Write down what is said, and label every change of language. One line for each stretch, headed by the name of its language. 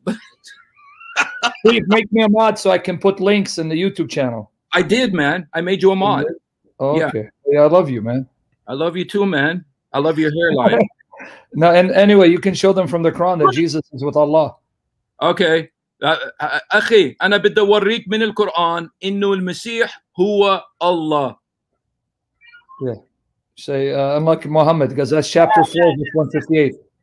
English: But please make me a mod so I can put links in the YouTube channel. I did, man. I made you a mod. Okay. Yeah, I love you, man. I love you too, man. I love your hairline. No, and anyway, you can show them from the Quran that Jesus is with Allah. Okay.
Arabic: أخي أنا بدي أوريك من القرآن إنه المسيح هو الله.
English: Yeah. Say, I'm like Muhammad, because that's chapter 4, verse 158.